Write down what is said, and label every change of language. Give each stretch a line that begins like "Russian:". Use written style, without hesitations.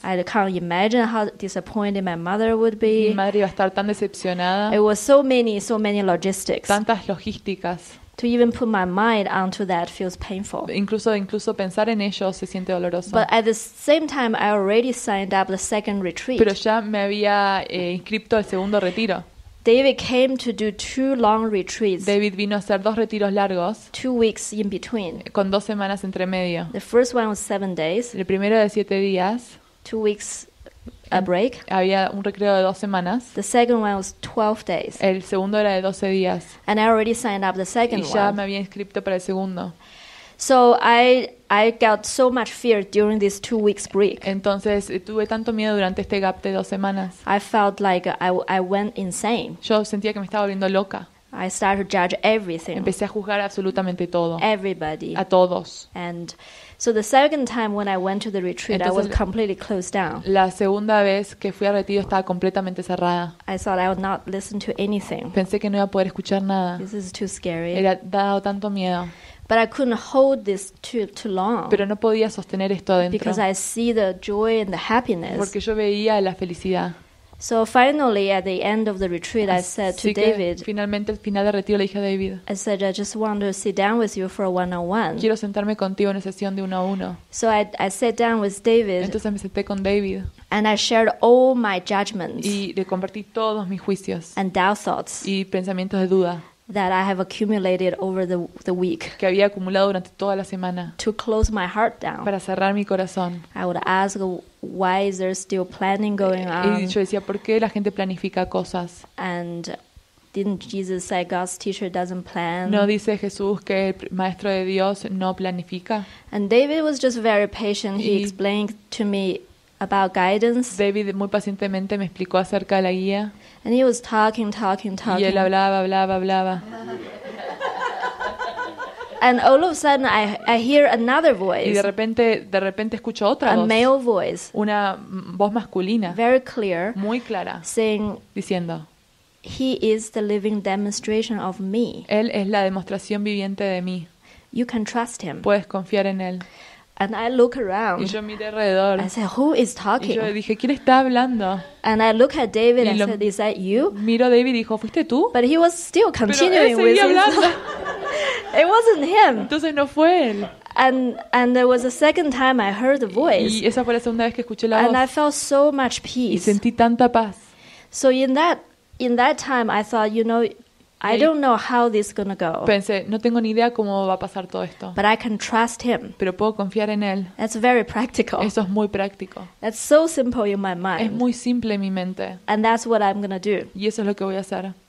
English: I can't imagine how disappointed my mother would be.
Spanish: Mi madre iba a estar tan decepcionada.
English: It was so many logistics.
Spanish: Tantas logísticas.
English: To even put my mind onto that feels painful.
Spanish: Incluso pensar en ello se siente doloroso.
English: But at the same time, I already signed up the second retreat.
Spanish: Pero ya me había inscrito al segundo retiro.
English: David came to do 2 long retreats.
Spanish: David vino a hacer 2 retiros largos.
English: 2 weeks in between.
Spanish: Con 2 semanas entre medio.
English: The first one was 7 days.
Spanish: El primero de 7 días.
English: 2 weeks a break.
Spanish: Había un recreo de 2 semanas.
English: The second one was 12 days.
Spanish: El segundo era de 12 días.
English: And I already signed up the second one.
Spanish: Y ya me había inscrito para el segundo.
English: So I got so much fear during this 2 weeks break.
Spanish: Entonces tuve tanto miedo durante este gap de 2 semanas.
English: I felt like I went insane.
Spanish: Yo sentía que me estaba volviendo loca.
English: I started to judge everything.
Spanish: Empecé a juzgar absolutamente todo.
English: Everybody.
Spanish: A todos.
English: And so the second time when I went to the retreat,
Spanish: entonces,
English: I was completely closed down.
Spanish: La segunda vez que fui al retiro estaba completamente cerrada.
English: I thought I would not listen to anything.
Spanish: Pensé que no iba a poder escuchar nada.
English: This is too scary.
Spanish: Era dado tanto miedo.
English: But I couldn't hold this too long.
Spanish: Pero no podía sostener esto adentro.
English: Because I see the joy and the happiness.
Spanish: Porque yo veía la felicidad.
English: So finally, at the end of the retreat, I said to David.
Spanish: Así que finalmente al final del retiro le dije a David.
English: I said I just want to sit down with you for a one-on-one.
Spanish: Quiero sentarme contigo en una sesión de 1-on-1.
English: So I sat down with David.
Spanish: Entonces me senté con David.
English: And I shared all my judgments.
Spanish: Y le compartí todos mis juicios.
English: And doubt thoughts.
Spanish: Y pensamientos de duda.
English: That I have accumulated over the week.
Spanish: Que había acumulado durante toda la semana.
English: To close my heart down.
Spanish: Para cerrar mi corazón.
English: I would ask why is there still planning going on.
Spanish: Y yo decía, ¿por qué la gente planifica cosas?
English: And didn't Jesus say God's teacher doesn't plan?
Spanish: ¿No dice Jesús que el maestro de Dios no planifica?
English: And David was just very patient. He explained to me about guidance.
Spanish: David muy pacientemente me explicó acerca de la guía.
English: And he was talking.
Spanish: Y él hablaba.
English: And all of a sudden I hear another voice.
Spanish: Y de repente escucho otra voz.
English: A male voice.
Spanish: Una voz masculina.
English: Very clear.
Spanish: Muy clara.
English: Saying,
Spanish: diciendo,
English: He is the living demonstration of me.
Spanish: Él es la demostración viviente de mí.
English: You can trust him.
Spanish: Puedes confiar en él.
English: And I look around.
Spanish: Y yo miré alrededor.
English: I said, "Who is talking?"
Spanish: Y yo dije, ¿quién está hablando?
English: And I look at David and said, "Is that you?"
Spanish: Miro a David y dijo, ¿fuiste tú?
English: But he was still continuing with his...
Spanish: hablando.
English: It wasn't him.
Spanish: Entonces no fue él.
English: And there was a second time I heard the voice.
Spanish: Y esa fue la segunda vez que escuché la
English: and
Spanish: voz.
English: And I felt so much peace.
Spanish: Y sentí tanta paz.
English: So in that time I thought, you know, I don't know how this is going to go.
Spanish: Pensé, no tengo ni idea cómo va a pasar todo esto.
English: But I can trust him.
Spanish: Pero puedo confiar en él.
English: That's very practical.
Spanish: Eso es muy práctico.
English: That's so simple in my mind.
Spanish: Es muy simple en mi mente.
English: And that's what I'm going to do.
Spanish: Y eso es lo que voy a hacer.